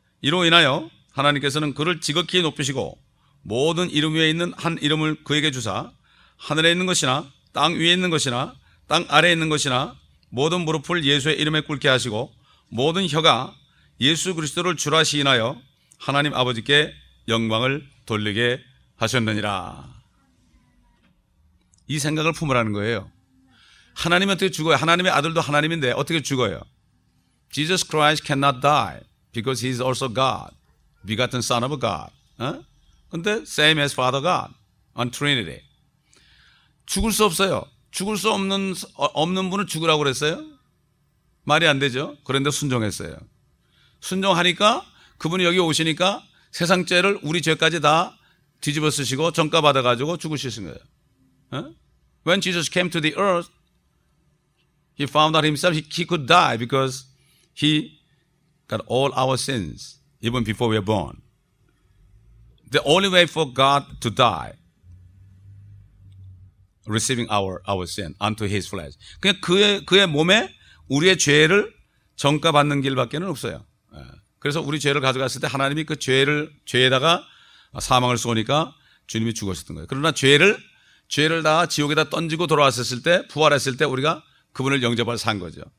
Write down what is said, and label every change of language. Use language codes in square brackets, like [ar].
[ko] 이로 인하여 하나님께서는 그를 지극히 높이시고 모든 이름 위에 있는 한 이름을 그에게 주사 하늘에 있는 것이나 땅 위에 있는 것이나 땅 아래에 있는 것이나 모든 무릎을 예수의 이름에 꿇게 하시고 모든 혀가 예수 그리스도를 주라 시인하여 하나님 아버지께 영광을 돌리게 하셨느니라. 이 생각을 품으라는 거예요. 하나님은 어떻게 죽어요? 하나님의 아들도 하나님인데 어떻게 죽어요? [en] Jesus Christ cannot die because he is also God. Begotten son of God. [ko] 근데 [en] same as Father God on Trinity. [ko] 죽을 수 없어요. 죽을 수 없는 분을 죽으라고 그랬어요? 말이 안 되죠. 그런데 순종했어요. 순종하니까 그분이 여기 오시니까 세상 죄를 우리 죄까지 다 뒤집어 쓰시고 정가 받아가지고 죽으신 거예요. 응? [en] When Jesus came to the earth, he found out himself he could die because he got all our sins even before we were born. The only way for God to die, receiving our sin unto his flesh. [ko] 그냥 그의 몸에 우리의 죄를 정가 받는 길밖에는 없어요. 그래서 우리 죄를 가져갔을 때 하나님이 그 죄를 죄에다가 사망을 쏘니까 주님이 죽으셨던 거예요. 그러나 죄를 다 지옥에다 던지고 돌아왔을 때 부활했을 때 우리가 그분을 영접하여 산 거죠.